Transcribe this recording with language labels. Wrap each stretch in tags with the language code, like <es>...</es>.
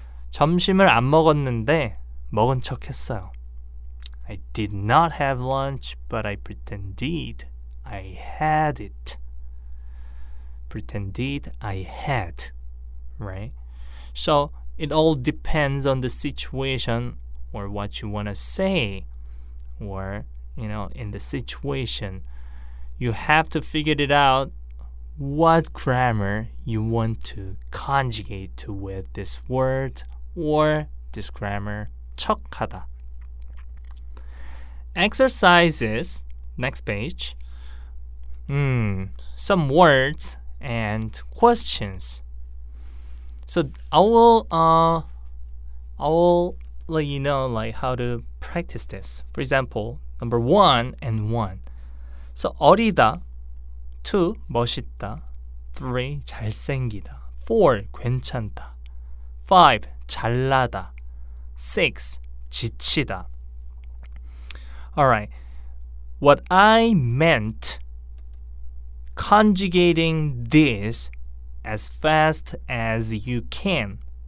<ko>점심을 안 먹었는데 먹은 척했어요.</ko> <en>I did not have lunch, but I pretended I had it. Pretended I had, right? So it all depends on the situation or what you want to say or, you know, in the situation. You have to figure it out what grammar you want to conjugate to with this word or this grammar, 척하다. Exercises, next page. Some words and questions. So I will let you know like how to practice this. For example, number one and one.</en> <ko>So 어리다, 2, 멋있다, 3, 잘생기다, 4, 괜찮다, 5, 잘나다, 6, 지치다.</ko> <en>Alright, what I meant conjugating this as fast as you can.</en>